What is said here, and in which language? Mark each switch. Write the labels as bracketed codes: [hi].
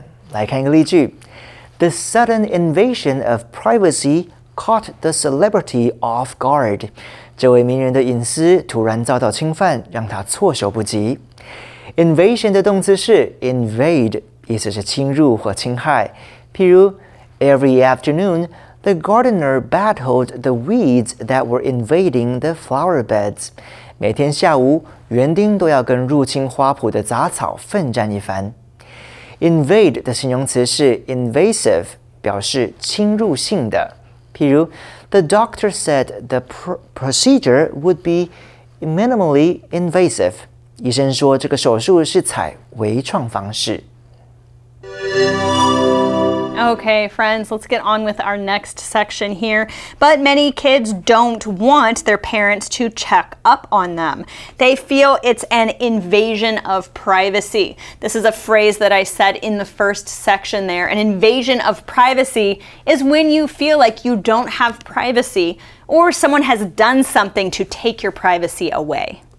[en] The sudden invasion of privacy caught the celebrity off guard. [zh] 这位名人的隐私突然遭到侵犯，让他措手不及。 Invasion 的动词是 invade， 意思是侵入或侵害。譬如 [en] ，Every afternoon, the gardener battled the weeds that were invading the flower beds. [zh] 每天下午。园丁都要跟入侵花圃的杂草奋战一番。 Invade 的形容词是 invasive， 表示侵入性的。譬如 [en] ，The doctor said the procedure would be minimally invasive。 [zh] 医生说这个手术是采微创方式。 [en] Okay, friends, let's get on with our next section here. But many kids don't want their parents to check up on them. They feel it's an invasion of privacy. This is a phrase that I said in the first section there. An invasion of privacy is when you feel like you don't have privacy or someone has done something to take your privacy away.